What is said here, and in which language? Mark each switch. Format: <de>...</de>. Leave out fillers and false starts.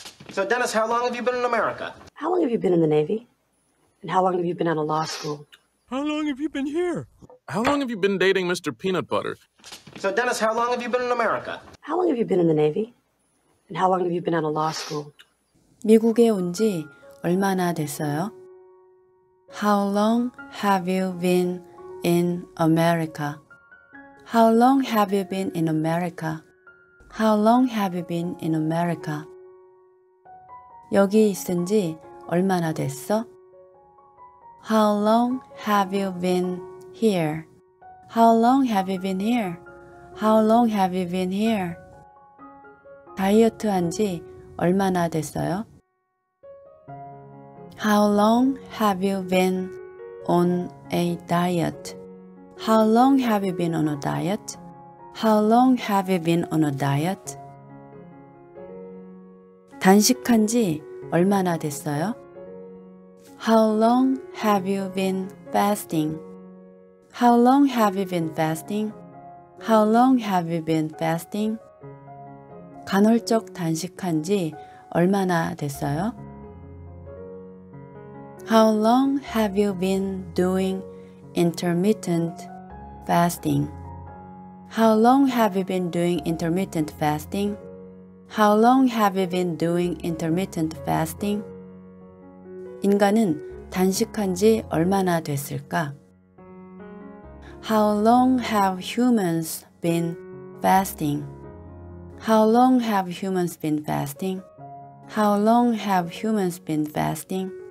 <en>So, Dennis, how long have you been in America? How long have you been in the Navy? And how long have you been out of law school? How long have you been here? How long have you been dating Mr. Peanut Butter? So, Dennis, how long have you been in America? How long have you been in the Navy? And how long have you been at a law school?</en> <ko>미국에 온 지 얼마나 됐어요?</ko> <en>How long have you been in America? How long have you been in America? How long have you been in America?</en> <ko>여기 있은 지 얼마나 됐어?</ko> <en>How long have you been here? How long have you been here? How long have you been here?</en> <ko>다이어트 한 지 얼마나 됐어요?</ko> <en>How long have you been on a diet? How long have you been on a diet? How long have you been on a diet?</en> <ko>단식한 지 얼마나 됐어요?</ko> <en>How long have you been fasting? How long have you been fasting? How long have you been fasting?</en> <ko>간헐적 단식한 지 얼마나 됐어요?</ko> <en>How long have you been doing intermittent fasting? How long have you been doing intermittent fasting? How long have you been doing intermittent fasting?</en> <ko>인간은 단식한 지 얼마나 됐을까?</ko> <en>How long have humans been fasting? How long have humans been fasting? How long have humans been fasting?</en>